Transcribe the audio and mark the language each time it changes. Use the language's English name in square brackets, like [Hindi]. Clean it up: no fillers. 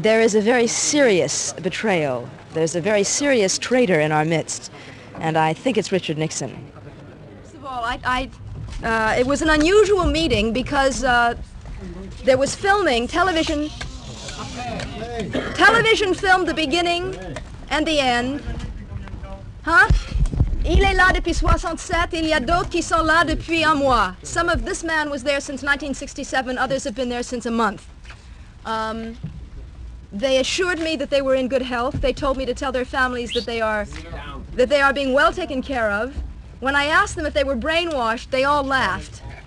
[English] There is a very serious betrayal. There's a very serious traitor in our midst. And I think it's Richard Nixon. First of all, it was an unusual meeting because there was filming, television filmed the beginning and the end. Huh? [French] Il est là depuis 67, il y a d'autres qui sont là depuis un mois. [English] Some of this man was there since 1967, others have been there since a month. They assured me that they were in good health. They told me to tell their families that they are being well taken care of. When I asked them if they were brainwashed, they all laughed.